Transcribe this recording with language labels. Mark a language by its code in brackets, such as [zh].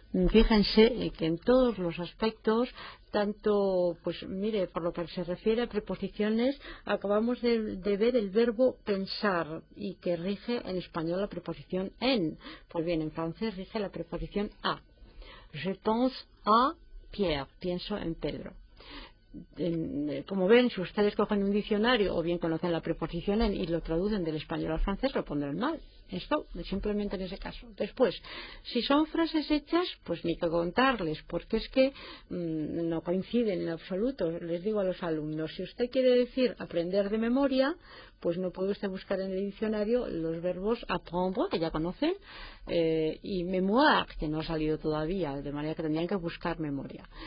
[es] Fíjense que en todos los aspectos, tanto, pues mire, por lo que se refiere a preposiciones, acabamos de ver el verbo pensar, y que rige en español la preposición en. Pues bien, en francés rige la preposición a. [fr] Je pense à Pierre, [es] pienso en Pedro. Como ven, si ustedes cogen un diccionario o bien conocen la preposición en y lo traducen del español al francés, lo pondrán mal. Esto, simplemente en ese caso. Después, si son frases hechas, pues ni que contarles, porque es que no coinciden en absoluto. Les digo a los alumnos, si usted quiere decir aprender de memoria, pues no puede usted buscar en el diccionario los verbos apprendre, que ya conocen, y mémoire, que no ha salido todavía, de manera que tendrían que buscar memoria.